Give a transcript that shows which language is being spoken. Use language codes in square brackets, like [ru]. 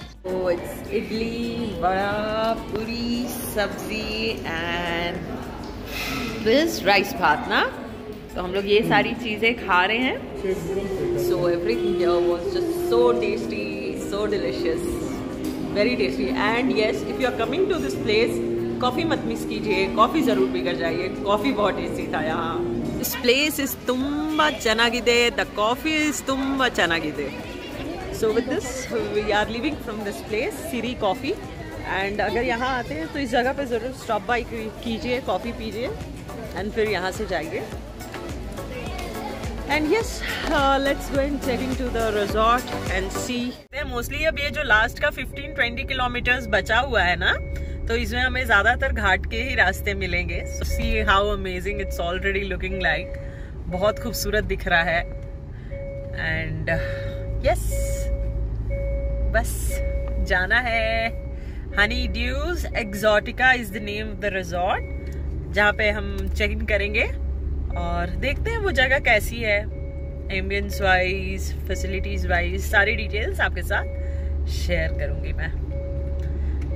[en] Oh, it's idli, vada, puri, sabzi and this rice bhat, na? [hi] So hum log ye sari cheeze kha rahe hain. [en] So everything here was just so tasty, so delicious, very tasty. And yes, if you are coming to this place, [hi] coffee मत miss कीजिए, coffee ज़रूर पीकर जाइए, coffee बहुत tasty था यहाँ। [en] this place is [kn] Tumba चनागिदे, [en] The coffee is तुम्बा चनागिदे। So with this we are living from this place Siri coffee, and [hi] अगर यहाँ आते हैं तो इस जगह पे ज़रूर स्टॉप बाई कीजिए, कॉफ़ी पीजिए एंड फिर यहाँ से जाइए। [en] And yes, let's go and check into the resort and see. [hi] Mostly अब ये जो last का 15-20 kilometers बचा हुआ है ना, तो इसमें हमें ज्यादातर घाट के ही रास्ते मिलेंगे। [en] So see how amazing it's already looking like. [hi] बहुत खूबसूरत दिख रहा है। [en] And yes, [hi] बस जाना है। [en] Honey Dews Exotica is the name of the resort, [hi] जहाँ पे हम check in करेंगे और देखते हैं वो जगह कैसी है, एम्बियंस वाइज, फैसिलिटीज वाइज, सारी डिटेल्स आपके साथ शेयर करूंगी मैं।